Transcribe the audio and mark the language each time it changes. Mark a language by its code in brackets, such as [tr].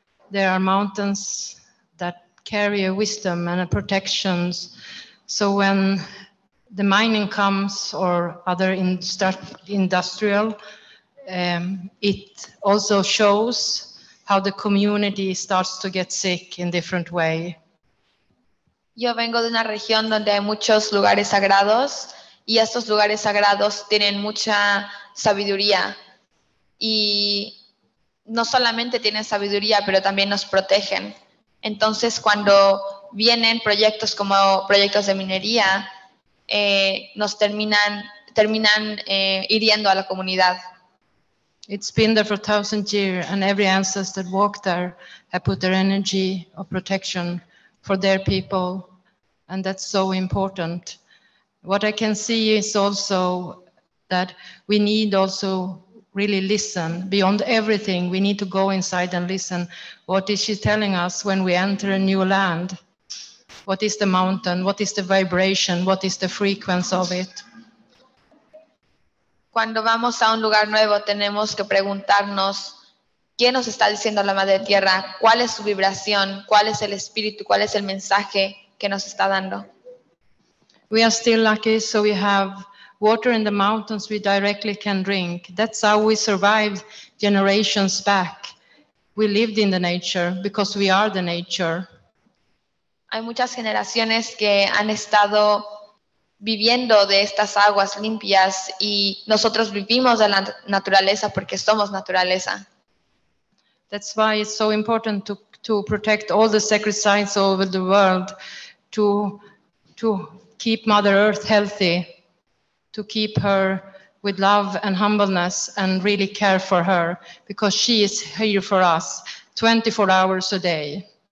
[en] there are mountains that carry a wisdom and a protection. So when the mining comes or other industrial, it also shows how the community starts to get sick in different way. [es] Yo vengo de una región donde hay muchos lugares sagrados y estos lugares sagrados tienen mucha sabiduría. Y no solamente tienen sabiduría, pero también nos protegen. Entonces, cuando vienen proyectos como proyectos de minería, nos terminan hiriendo a la comunidad. [en] It's been there for 1,000 years and every ancestor that walked there had put their energy of protection for their people. And that's so important. What I can see is also that we need also really listen beyond everything. We need to go inside and listen. What is she telling us when we enter a new land? What is the mountain? What is the vibration? What is the frequency of it? [es] Cuando vamos a un lugar nuevo, tenemos que preguntarnos qué nos está diciendo la madre tierra, cuál es su vibración, cuál es el espíritu, cuál es el mensaje que nos está dando. [en] We are still lucky, so we have water in the mountains we directly can drink. That's how we survived generations back. We lived in the nature because we are the nature. [es] Hay muchas generaciones que han estado viviendo de estas aguas limpias y nosotros vivimos de la naturaleza porque somos naturaleza. [en] That's why it's so important to protect all the sacred sites all over the world, to keep Mother Earth healthy, to keep her with love and humbleness and really care for her, because she is here for us 24 hours a day.